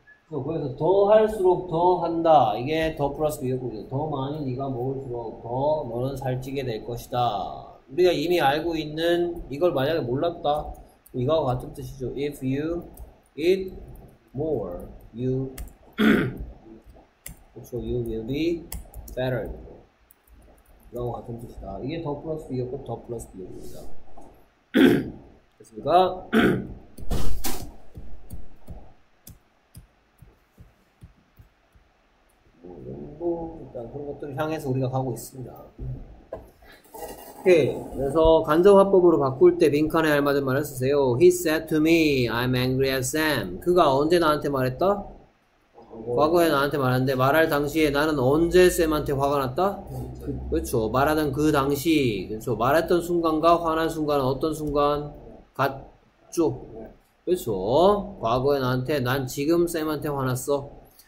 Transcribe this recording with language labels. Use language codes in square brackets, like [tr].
[ko] 그래서 더 할수록 더 한다. 이게 더 플러스 비교급이죠. 더 많이 네가 먹을수록 더 너는 살찌게 될 것이다. 우리가 이미 알고 있는 이걸 만약에 몰랐다. 이거와 같은 뜻이죠. [en] If you eat more, you, so you will be better. [ko] 이거와 같은 뜻이다. 이게 더 플러스 비교급, 더 플러스 비교급입니다. 됐습니까? 일단 그런 것들을 향해서 우리가 가고 있습니다. 오케이. 그래서 간접화법으로 바꿀 때 빈칸에 알맞은 말을 쓰세요. [en] He said to me, I'm angry at Sam. [ko] 그가 언제 나한테 말했다? 과거에 나한테 말했는데 말할 당시에 나는 언제 쌤한테 화가 났다? 그렇죠. 말하던 그 당시. 그렇죠. 말했던 순간과 화난 순간은 어떤 순간? 같죠. 그렇죠. 과거에 나한테 난 지금 쌤한테 화났어.